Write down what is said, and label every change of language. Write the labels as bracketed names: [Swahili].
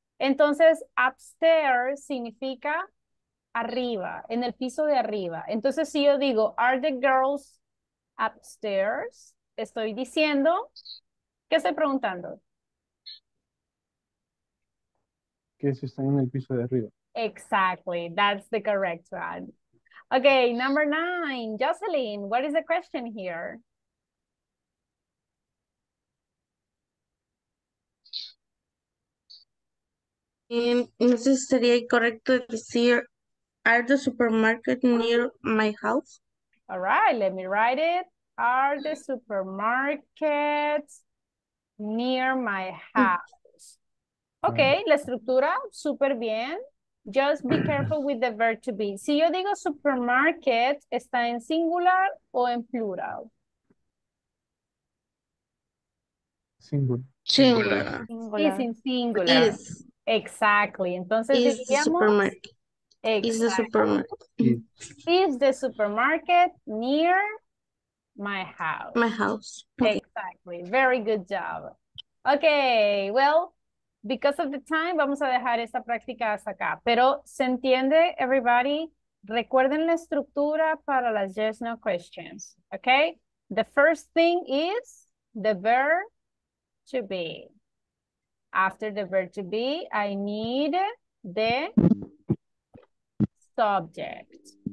[Spanish] Entonces, upstairs significa arriba, en el piso de arriba. Entonces, si yo digo, [English] are the girls upstairs? [Spanish] Estoy diciendo, ¿qué estoy preguntando? Que si están en el piso de arriba. [English] Exactly, that's the correct one. Okay, number nine, Jocelyn, what is the question here? [Spanish] No sé si sería correcto decir, [English] are the supermarket near my house? All right, let me write it. Are the supermarkets near my house? [Spanish] Okay, la estructura, super bien. [English] Just be careful with the verb to be. [Spanish] Si yo digo supermarket, ¿está en singular o en plural? Singular. [English] Is in singular. Is. Exactly. [Spanish] Entonces, [English] is [Spanish] diríamos... [English] the supermarket. Exactly. Is the supermarket. Is the supermarket near my house? My house. Exactly. Very good job. Okay, well... Because of the time, [Spanish] vamos a dejar esta práctica hasta acá. Pero, ¿se entiende, [English] everybody? [Spanish] Recuerden la estructura para las [English] yes, no questions. Okay? The first thing is the verb to be. After the verb to be, I need the subject.